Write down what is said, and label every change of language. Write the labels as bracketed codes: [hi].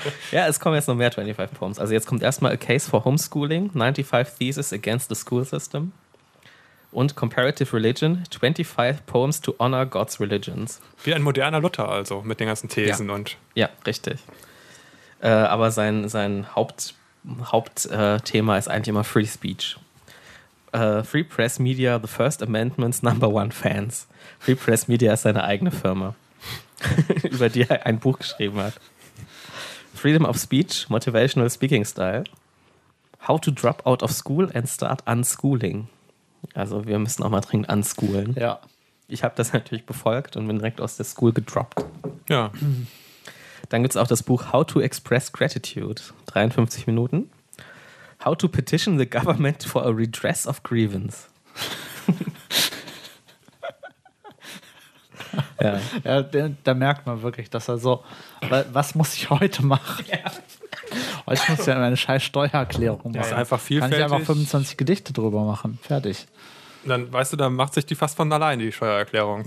[de] Ja, es kommen jetzt noch mehr 25 Poems. Also jetzt kommt erstmal A Case for Homeschooling, 95 Theses Against the School System und Comparative Religion, 25 Poems to Honor God's Religions. Wie ein moderner Luther also, mit den ganzen Thesen. Ja. Und. Ja, richtig. Aber sein Hauptthema ist eigentlich immer Free Speech. [en] Free Press Media, the First Amendment's number one fans. [de] Free Press Media ist seine eigene Firma, über die er ein Buch geschrieben hat. [en] Freedom of Speech, Motivational Speaking Style. How to drop out of school and start unschooling. [de] Also wir müssen auch mal dringend unschoolen. Ja. Ich habe das natürlich befolgt und bin direkt aus der School gedroppt. Ja. Dann gibt es auch das Buch How to Express Gratitude, 53 Minuten. [en] How to Petition the Government for a Redress of Grievance. [de] Ja. Ja, da merkt man wirklich, dass er so, was muss ich heute machen? Ja. Heute muss ich ja meine scheiß Steuererklärung machen. Das ist einfach vielfältig. Kann ich einfach 25 Gedichte drüber machen, fertig. Dann weißt du, dann macht sich die fast von alleine, die Steuererklärung.